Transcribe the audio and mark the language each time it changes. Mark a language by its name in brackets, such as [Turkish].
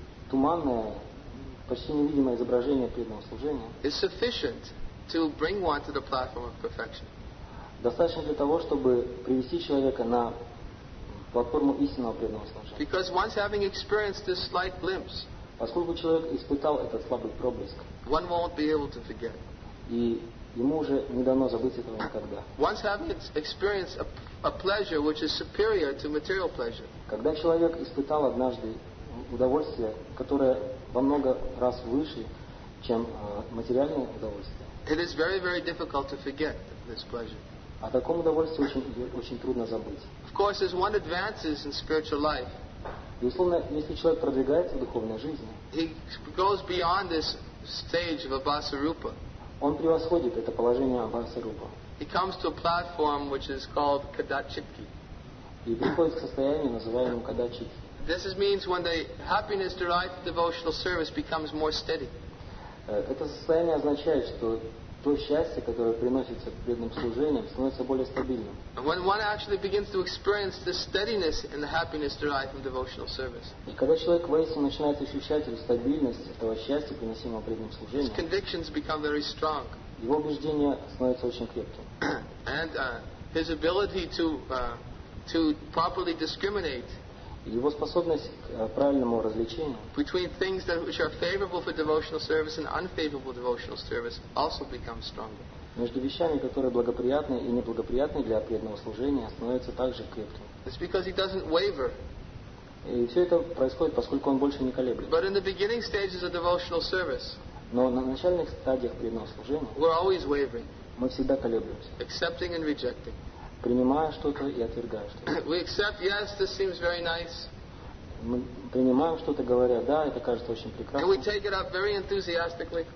[Russian] туманное, почти невидимое изображение преданного служения [English] is sufficient to bring one to the platform of perfection. [Russian] Достаточно для того, чтобы привести человека на платформу истинного преданного служения. [English] Because once having experienced this slight glimpse, [Russian] поскольку человек испытал этот слабый проблеск, [English] one won't be able to forget. [Russian] И ему уже не дано забыть этого никогда. [English] Once having experienced a pleasure which is superior to material pleasure, [Russian] когда человек испытал однажды удовольствие, которое во много раз выше, чем материальное удовольствие, [English] it is very, very difficult to forget this pleasure. [Russian] О таком удовольствии очень трудно забыть. [English] Of course, as one advances in spiritual life, [Russian] безусловно, если человек продвигается в духовной жизни, [English] he goes beyond this stage of Abhasarupa. [Russian] Он превосходит это положение Абхасарупа. [English] He comes to a platform which is called Kadachitki. [Russian] И приходит к состоянию, называемому Kadachitki. [English] This means when the happiness derived from devotional service becomes more steady. [Russian] Это состояние означает, что то счастье, которое приносится преданным служением, становится более стабильным. [English] When one actually begins to experience the steadiness in the happiness derived from devotional service, [Russian] и когда человек воистину начинает ощущать эту стабильность этого счастья, приносимого преданным служением, [English] his convictions become very strong. [Russian] Его убеждения становятся очень крепким. [English] And his ability to properly discriminate, [Russian] его способность к правильному различению [English] between things that which are favorable for devotional service and unfavorable devotional service also becomes stronger. [Russian] Между вещами, которые благоприятны и неблагоприятны для преданного служения, становится также крепким. [English] It's because he doesn't waver. [Russian] И все это происходит, поскольку он больше не колеблется. [English] But in the beginning stages of devotional service, [Russian] но на начальных стадиях преданного служения, [English] we're always wavering. [Russian] Мы всегда колеблемся. [English] Accepting and rejecting. [Russian] Принимая что-то и отвергая что-то. [English] We accept, yes, this seems very nice. [Russian] Мы принимаем что-то, говоря, да, это кажется очень прекрасным. [English] And we take it up very enthusiastically.